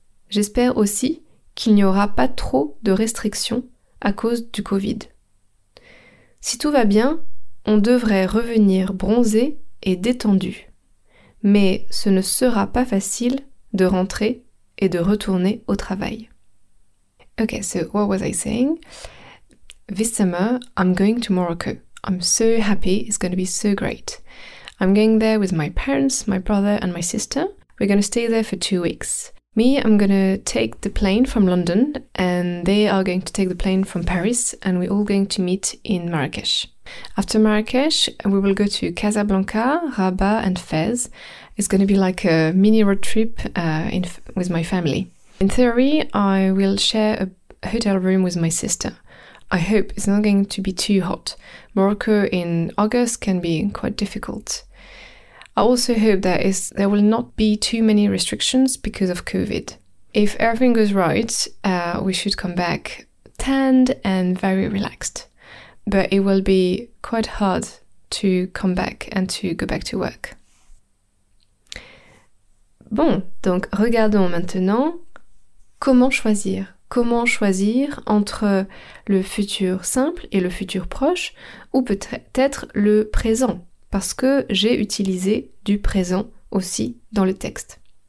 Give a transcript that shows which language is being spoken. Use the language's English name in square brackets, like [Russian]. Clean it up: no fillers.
[French] J'espère aussi qu'il n'y aura pas trop de restrictions à cause du Covid. Si tout va bien, on devrait revenir bronzé et détendu. Mais ce ne sera pas facile de rentrer et de retourner au travail. [English] Okay, so what was I saying? This summer, I'm going to Morocco. I'm so happy, it's going to be so great. I'm going there with my parents, my brother and my sister. We're going to stay there for 2 weeks. Me, I'm going to take the plane from London and they are going to take the plane from Paris and we're all going to meet in Marrakech. After Marrakech, we will go to Casablanca, Rabat and Fez. It's going to be like a mini road trip with my family. In theory, I will share a hotel room with my sister. I hope it's not going to be too hot. Morocco in August can be quite difficult. I also hope that there will not be too many restrictions because of COVID. If everything goes right, we should come back tanned and very relaxed. But it will be quite hard to come back and to go back to work. [French] Bon, donc regardons maintenant comment choisir. Comment choisir entre le futur simple et le futur proche, ou peut-être le présent, parce que j'ai utilisé du présent aussi dans le texte.